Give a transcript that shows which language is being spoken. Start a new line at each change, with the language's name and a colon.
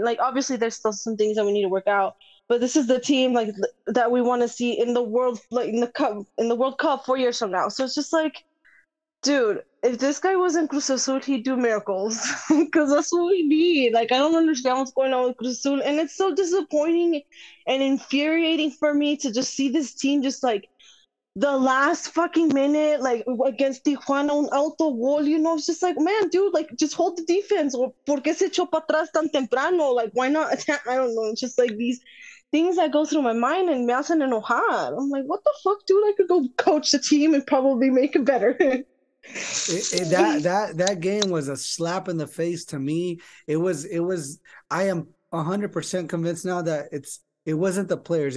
English: Like, obviously, there's still some things that we need to work out. But this is the team like that we want to see in the world, like in the World Cup 4 years from now. So it's just like, dude, if this guy wasn't Cruz Azul, he'd do miracles because that's what we need. Like, I don't understand what's going on with Cruz Azul, and it's so disappointing and infuriating for me to just see this team just like the last fucking minute, like against Tijuana, on alto wall. You know, it's just like, man, dude, like just hold the defense.
Spanish: Or por qué se echó para atrás tan temprano?
English: Like, why not attack? I don't know. It's just like these things that go through my mind and
Spanish: me hacen enojar.
English: I'm like, what the fuck, dude? I could go coach the team and probably make it better. that game was a slap in the face to me. It was. I am 100% convinced now that it wasn't the players.